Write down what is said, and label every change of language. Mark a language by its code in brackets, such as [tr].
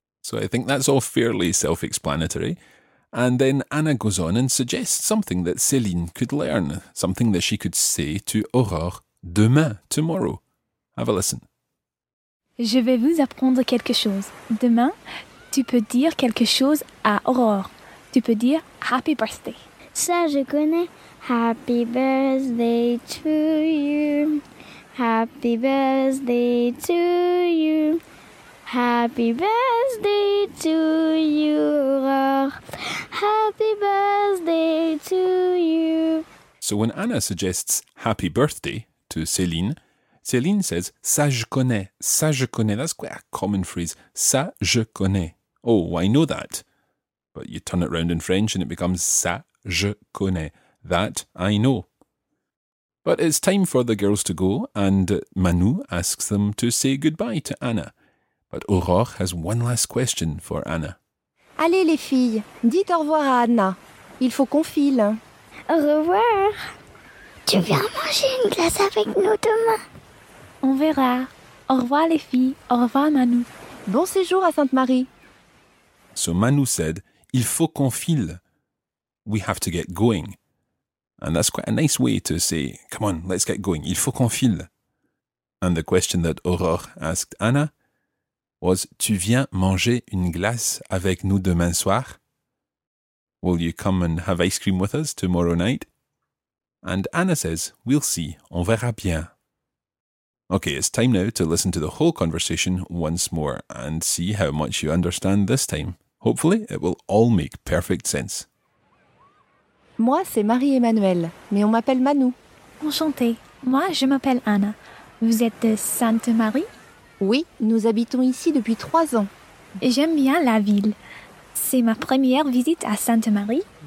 [en] So I think that's all fairly self-explanatory. And then Anna goes on and suggests something that Céline could learn, something that she could say to Aurore demain, tomorrow. Have a listen. [fr] Je vais vous apprendre quelque chose. Demain, tu peux dire quelque chose à Aurore. Tu peux dire [en] happy birthday. [fr] Ça, je connais. [en] Happy birthday to you. Happy birthday to you. Happy birthday to you, Aurore. Happy birthday to you. So when Anna suggests happy birthday to Céline, Céline says, [fr] ça je connais, ça je connais. [en] That's quite a common phrase. [fr] Ça je connais. [en] Oh, I know that. But you turn it round in French and it becomes [fr] ça je connais. [en] That I know. But it's time for the girls to go and Manu asks them to say goodbye to Anna. But Aurore has one last question for Anna. [fr] Allez les filles, dites au revoir à Anna. Il faut qu'on file. Au revoir. Tu viens manger une glace avec nous demain? On verra. Au revoir les filles. Au revoir Manu. Bon séjour à Sainte-Marie. [en] So Manu said, [fr] il faut qu'on file. [en] We have to get going. And that's quite a nice way to say, come on, let's get going. [fr] Il faut qu'on file. [en] And the question that Aurore asked Anna was, [fr] tu viens manger une glace avec nous demain soir? [en] Will you come and have ice cream with us tomorrow night? And Anna says, we'll see. [fr] On verra bien. [en] Okay, it's time now to listen to the whole conversation once more and see how much you understand this time. Hopefully, it will all make perfect sense. [fr] Moi, c'est Marie-Emmanuelle, mais on m'appelle Manu. Enchantée. Moi, je m'appelle Anna. Vous êtes de Sainte-Marie? Oui, nous habitons ici depuis 3 ans. J'aime bien la ville. C'est ma première visite à Sainte-Marie.